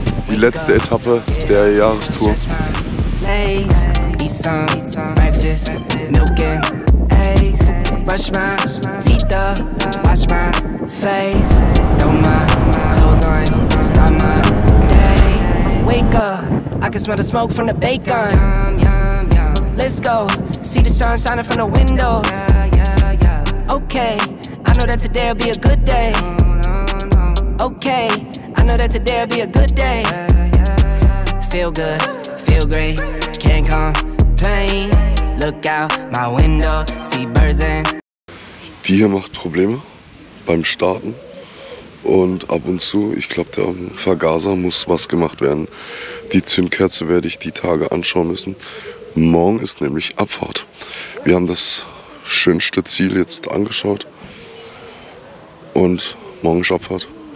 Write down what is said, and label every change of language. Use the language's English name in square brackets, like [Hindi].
[German] Die letzte Etappe der Jahrestour. [English] Eat some breakfast, milk and eggs. Brush my teeth up, wash my face. Throw my clothes on, start my day. Wake up, I can smell the smoke from the bacon. Let's go, see the sun shining from the windows. Okay, I know that today'll be a good day. Okay, I know that today'll be a good day. Feel good, feel great, can't complain. Look out my window, see birds in. [German] Die hier macht Probleme beim Starten. Und ab und zu, ich glaube, der Vergaser muss was gemacht werden. Die Zündkerze werde ich die Tage anschauen müssen. Morgen ist nämlich Abfahrt. Wir haben das schönste Ziel jetzt angeschaut. Und morgen ist Abfahrt.